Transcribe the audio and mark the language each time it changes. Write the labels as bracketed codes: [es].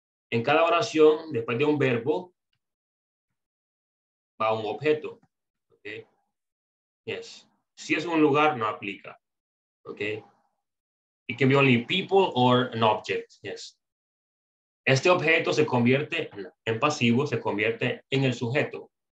[es] En cada oración, después de un verbo, va un objeto, okay? Yes, si es un lugar, no aplica, okay? [en] It can be only people or an object, yes. [es] Este objeto se convierte en pasivo, se convierte en el sujeto.